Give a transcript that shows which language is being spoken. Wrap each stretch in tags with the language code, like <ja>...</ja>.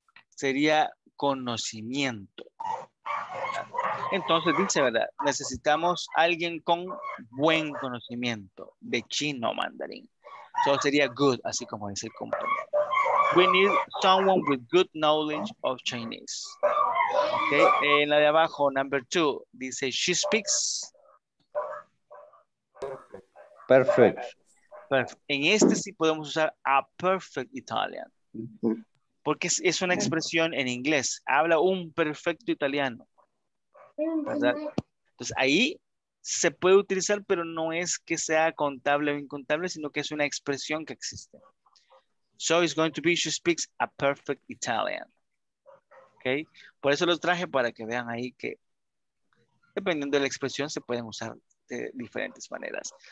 <es>Sería conocimiento. Entonces dice, ¿verdad? Necesitamos alguien con buen conocimiento de chino mandarín. Solo sería good, así como dice el compañero.</es> <en>We need someone with good knowledge of Chinese.</en> <es>Okay. En la de abajo,</es> <en>number two,</en> <es>dice,</es> <en>she speaks. Perfect. Perfect.</en> <es>En este sí podemos usar</es> <en>a perfect Italian.</en> <es>Porque es una expresión en inglés. Habla un perfecto italiano. ¿Verdad? Entonces ahí se puede utilizar, pero no es que sea contable o incontable, sino que es una expresión que existe.</es> <en>So it's going to be she speaks a perfect Italian. Okay?</en> <es>Por eso los traje, para que vean ahí que dependiendo de la expresión se pueden usar de diferentes maneras.</es>